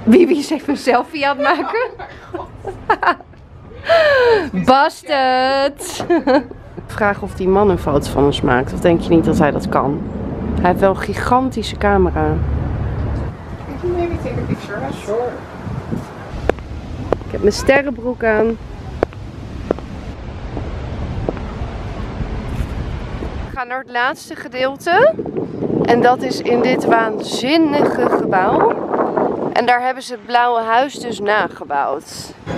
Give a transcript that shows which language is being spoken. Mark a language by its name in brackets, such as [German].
[Dutch] Bibi is even een selfie aan het maken. Oh, busted. Vraag of die man een foto van ons maakt. Of denk je niet dat hij dat kan? Hij heeft wel een gigantische camera. [English] Can you maybe take a picture? Sure. [Dutch] Ik heb mijn sterrenbroek aan. We gaan naar het laatste gedeelte. En dat is in dit waanzinnige gebouw. En daar hebben ze het blauwe huis dus nagebouwd.